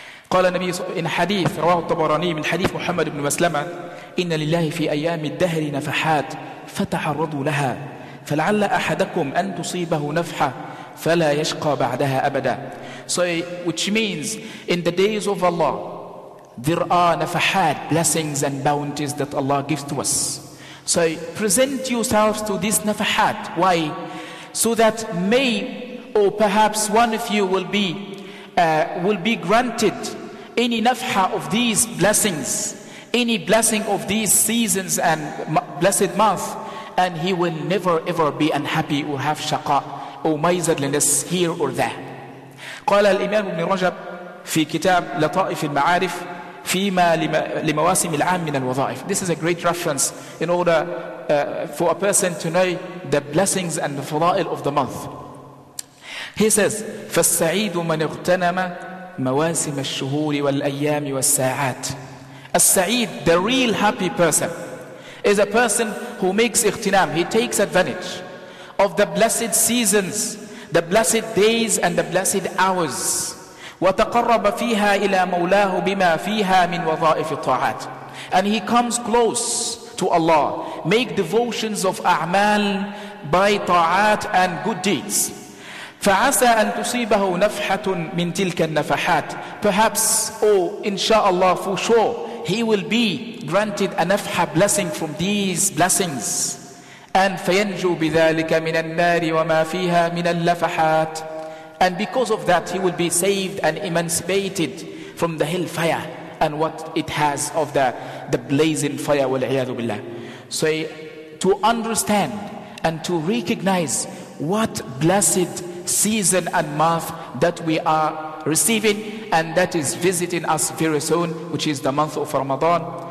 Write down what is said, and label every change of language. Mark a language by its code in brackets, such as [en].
[ar] قال النبي [en] in hadith [ar] رواه الطبراني من حديث محمد بن مسلمة إن لله في أيام الدهر نفحات فتعرضوا لها فلعل أحدكم أن تصيبه نفحة فلا يشقى بعدها أبدا. [en] So which means in the days of Allah there are nafahat, blessings and bounties that Allah gives to us. So present yourselves to this nafahat. Why? So that may or perhaps one of you will be granted any nafha of these blessings, any blessing of these seasons and blessed month, and he will never ever be unhappy or have shaqa or miserliness here or there. [ar] قال الإمام ابن رجب في كتاب لطائف المعارف فيما لمواسم العام من الوظائف. [en] This is a great reference in order for a person to know the blessings and the fadail of the month. He says, [ar] فالسعيد من اغتنم مواسم الشهور والأيام والساعات. [en] السعيد, the real happy person, is a person who makes اغتنام, he takes advantage of the blessed seasons, the blessed days and the blessed hours. [ar] وتقرب فيها إلى مولاه بما فيها من وظائف الطاعات. [en] And he comes close to Allah, make devotions of أعمال by طاعات and good deeds. [ar] فعسى أن تصيبه نفحة من تلك النفحات. [en] Perhaps, inshallah, for sure, he will be granted a نفحة, blessing from these blessings. [ar] And فينجو بذلك من النار وما فيها من اللفحات. [en] And because of that, he will be saved and emancipated from the hellfire and what it has of the blazing fire. [ar] وَالْعِيَاذُ بِاللَّهِ. [en] So to understand and to recognize what blessed season and month that we are receiving and that is visiting us very soon, which is the month of Ramadan.